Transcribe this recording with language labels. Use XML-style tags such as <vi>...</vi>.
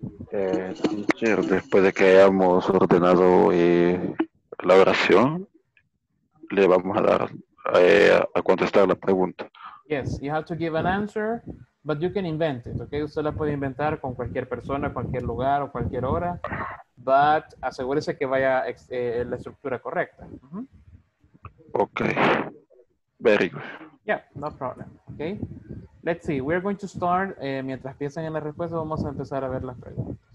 <es>Teacher, después de que hayamos ordenado la oración, le vamos a dar a contestar la pregunta.</es> <en>Yes, you have to give an answer, but you can invent it, okay?</en> <es>Usted la puede inventar con cualquier persona, cualquier lugar o cualquier hora. But asegúrese que vaya la estructura correcta.</es> <en>Mm-hmm. Okay. Very good. Yeah, no problem. Okay. Let's see. We're going to start.</en> <es>Mientras piensan en la respuesta, vamos a empezar a ver las preguntas.</es>